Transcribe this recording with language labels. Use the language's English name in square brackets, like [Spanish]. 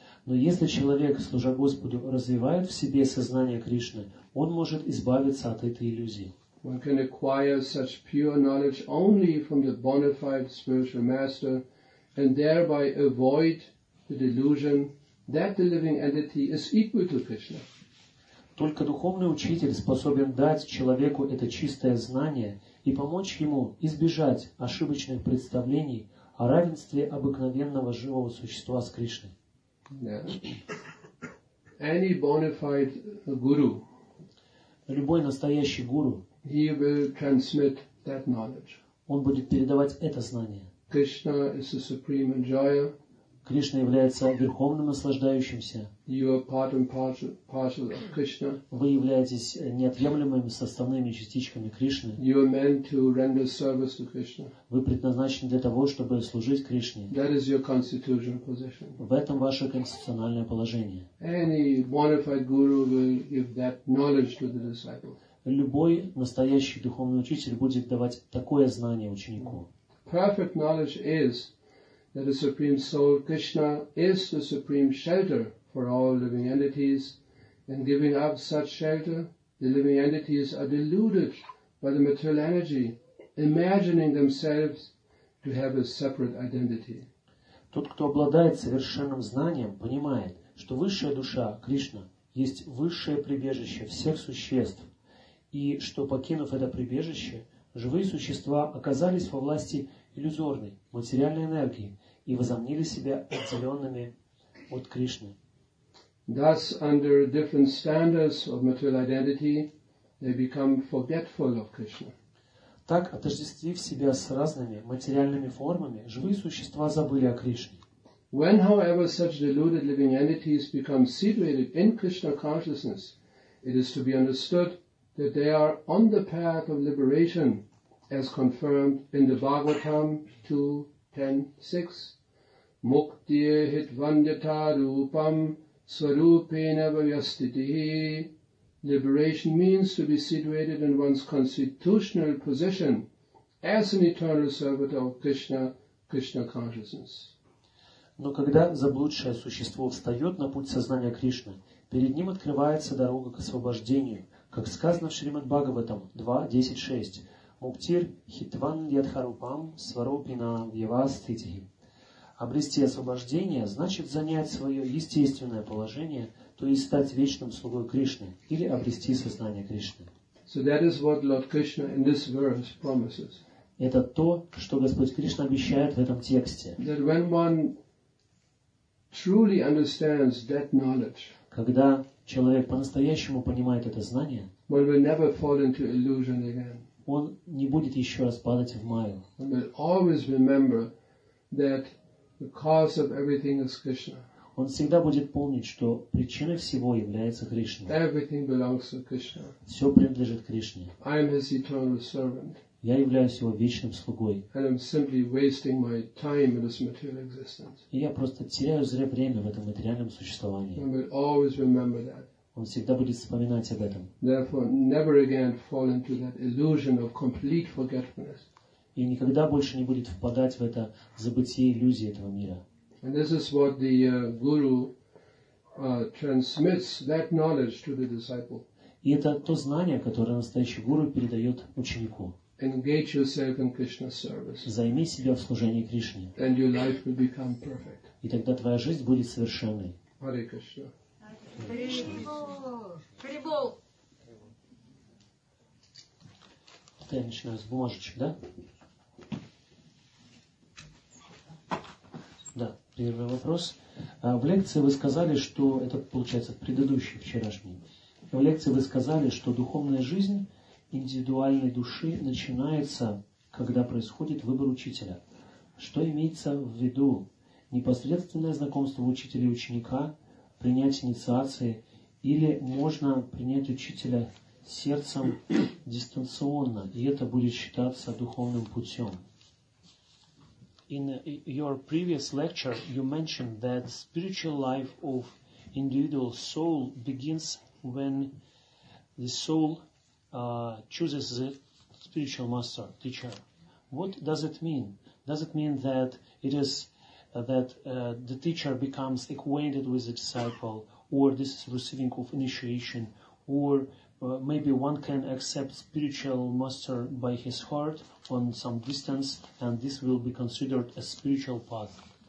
[Russian] Но если человек, служа Господу, развивает в себе сознание Кришны, он может избавиться от этой иллюзии. [English] One can acquire such pure knowledge only from the bona fide spiritual master and thereby avoid the delusion that the living entity is equal to Krishna. [Russian] Только духовный учитель способен дать человеку это чистое знание и помочь ему избежать ошибочных представлений о равенстве обыкновенного живого существа с Кришной. [English] Yeah. Any bona fide guru, [Russian] любой настоящий гуру, [English] he will transmit that knowledge. [Russian] Он будет передавать это знание. [English] Krishna is the supreme enjoyer. [Russian] Кришна является верховным наслаждающимся. [English] You are part and parcel of Krishna. [Russian] Вы являетесь неотъемлемыми составными частичками Кришны. [English] You are meant to render service to Krishna. [Russian] Вы предназначены для того, чтобы служить Кришне. [English] That is your constitutional position. [Russian] В этом ваше конституциональное положение. [English] Any bona fide guru will give that knowledge to the disciple. [Russian] Любой настоящий духовный учитель будет давать такое знание ученику. [English] Perfect knowledge is that the Supreme Soul, Krishna, is the supreme shelter for all living entities. And giving up such shelter, the living entities are deluded by the material energy, imagining themselves to have a separate identity. [Russian] Тот, кто обладает совершенным знанием, понимает, что высшая душа, Кришна, есть высшее прибежище всех существ, и что, покинув это прибежище, живые существа оказались во власти иллюзорной материальной энергии и возомнили себя отделенными от Кришны. [English] Thus, under different standards of material identity, they become forgetful of Krishna. [Russian] Так, отождествив себя с разными материальными формами, живые существа забыли о Кришне. [English] When, however, such deluded living entities become situated in Krishna consciousness, it is to be understood that they are on the path of liberation, as confirmed in the Bhagavatam 2.10.6. [Sanskrit] Muktir hitvandita rupam swarupena vyastitihi. [English] Liberation means to be situated in one's constitutional position as an eternal servant of Krishna, Krishna consciousness. [Russian] Но когда заблудшее существо встает на путь сознания Кришны, перед ним открывается дорога к освобождению, как сказано в Шримад-Бхагаватам 2.10.6. [Sanskrit] Муктир хитван ядхарупам сваропина вьявастити. [Russian] Обрести освобождение значит занять свое естественное положение, то есть стать вечным слугой Кришны или обрести сознание Кришны. [English] So that is what Lord Krishna in this verse promises. [Russian] Это то, что Господь Кришна обещает в этом тексте. [English] That when one truly understands that knowledge, [Russian] когда человек по-настоящему понимает это знание, [English] one will never fall into illusion again. [Russian] Он не будет еще раз падать в маю. [English] One will always remember that the cause of everything is Krishna. [Russian] Он всегда будет помнить, что причиной всего является Кришна. [English] Everything belongs to Krishna. [Russian] Все принадлежит Кришне. [English] I am his eternal servant. [Russian] Я являюсь его вечным слугой. [English] And I'm simply wasting my time in this material existence. [Russian] И я просто теряю зря время в этом материальном существовании. [English] One will always remember that. [Russian] Он всегда будет вспоминать об этом. [English] Therefore, never again fall into that illusion of complete forgetfulness. [Russian] И никогда больше не будет впадать в это забытие иллюзии этого мира. [English] And this is what the guru transmits that knowledge to the disciple. [Russian] И это то знание, которое настоящий гуру передает ученику. [English] Engage yourself in Krishna's service. [Russian] Займи себя в служении Кришне. [English] And your life will become perfect. [Russian] И тогда твоя жизнь будет совершенной. [English] Hare Krishna. [Russian] Прибыл. Вот я начинаю с бумажечек, да? Да, первый вопрос. В лекции вы сказали, что... Это, получается, предыдущий, вчерашний. В лекции вы сказали, что духовная жизнь индивидуальной души начинается, когда происходит выбор учителя. Что имеется в виду? Непосредственное знакомство учителя и ученика, принять инициации, или можно принять учителя сердцем дистанционно, и это будет считаться духовным путем? [English] In your previous lecture, you mentioned that spiritual life of individual soul begins when the soul chooses the spiritual master, teacher. What does it mean? Does it mean that it is that the teacher becomes acquainted with the disciple, or this is receiving of initiation, or maybe one can accept spiritual master by his heart on some distance, and this will be considered a spiritual path.